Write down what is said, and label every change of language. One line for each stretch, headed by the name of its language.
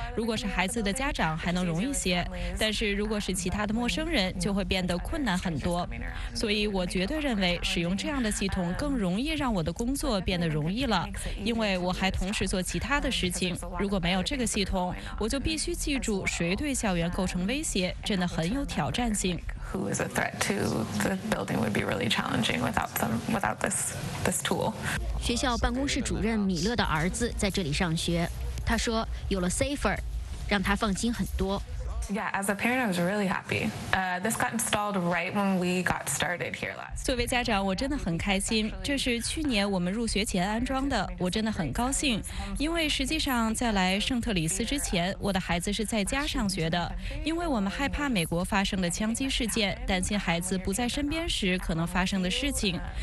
Chinese: 如果是孩子的家长还能容易些，但是如果是其他的陌生人，就会变得困难很多。所以我绝对认为使用这样的系统更容易让我的工作变得容易了，因为我还同时做其他的事情。如果没有这个系统，我就必须记住谁对校园构成威胁，真的很有挑战性。
English: Who is a threat to the building would be really challenging without this tool.
Chinese: 学校办公室主任米勒的儿子在这里上学，他说有了 Safer 让他放心很多。
English: Yeah, as a parent, I was really happy. This got installed right when we got started here last.
Chinese: 作为家长，我真的很开心。这是去年我们入学前安装的，我真的很高兴。因为实际上在来圣特里斯之前，我的孩子是在家上学的。因为我们害怕美国发生的枪击事件，担心孩子不在身边时可能发生的事情。